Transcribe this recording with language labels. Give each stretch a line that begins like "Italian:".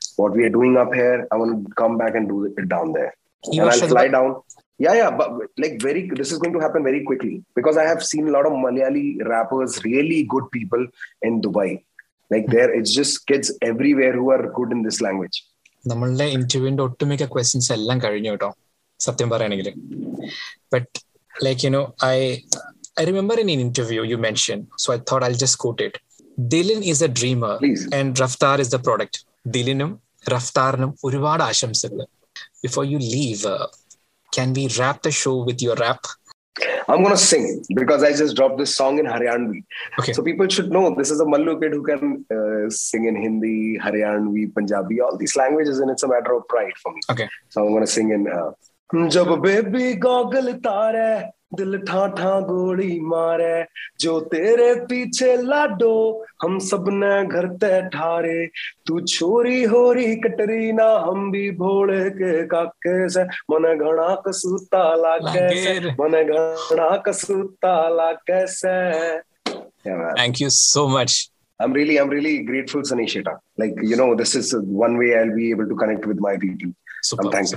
English: What we are doing up here, I want to come back and do it down there. And I'll fly down. Yeah. But like this is going to happen very quickly because I have seen a lot of Malayali rappers, really good people in Dubai. Like there, it's just kids everywhere who are good in this language.
Malayalam: നമ്മളുടെ ഇന്റർവ്യൂവിന്റെ ഒട്ടുമിക്ക questions എല്ലാം കഴിഞ്ഞു കേട്ടോ സത്യം പറയണെങ്കിൽ.
English: But like you know I remember in interview you mention, so I thought I just quote it, Dilin is a dreamer and Raftaar is the product.
Malayalam: ദിലിനും റഫ്താറിനും ഒരുപാട് ആശംസകൾ.
English: Before you leave, can we wrap the show with your rap? I'm going to sing because I just dropped this song in Haryanvi. Okay. So people should know this is a Mallu kid who can sing in Hindi, Haryanvi, Punjabi, all these languages, and it's a matter of pride for me. Okay. So I'm going to sing in
Haryanvi: jab baby goggle tare दिल ठाठा गोली मारे जो तेरे पीछे लाडो हम सबने घर ते ठारे तू छोरी होरी कटरी ना हम भी भोले के काके से मन घना कसूता लागे से मन घना कसूता लागे से
English: thank you so much I'm really grateful Sanisheta like you know this is one way I'll be able to connect with my people I'm thankful